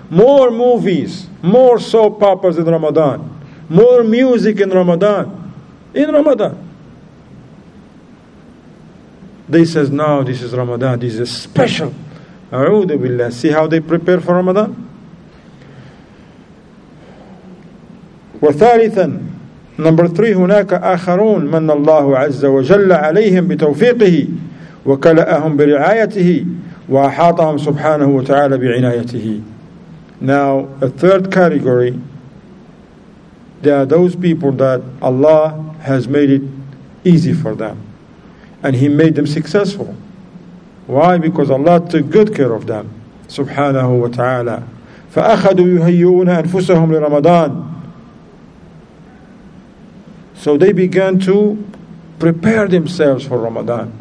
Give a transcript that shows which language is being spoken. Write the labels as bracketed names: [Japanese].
[English] More movies, more soap operas in Ramadan, more music in Ramadan. In Ramadan. They says, no, this is Ramadan, this is special. A'udhu billah. See how they prepare for Ramadan? [Arabic] وثالثا, [English] number three, [Arabic] هناك آخرون من الله عز وجل عليهم بتوفيقه وكلأهم برعايته وأحاطهم سبحانه وتعالى بعنايته. [English] Now, a third category, there are those people that Allah has made it easy for them. And he made them successful. Why? Because Allah took good care of them. Subhanahu wa ta'ala. [Arabic] فَأَخَذُوا يُهَيُّونَ أَنفُسَهُمْ لِرَمَضَانِ. [English] So they began to prepare themselves for Ramadan.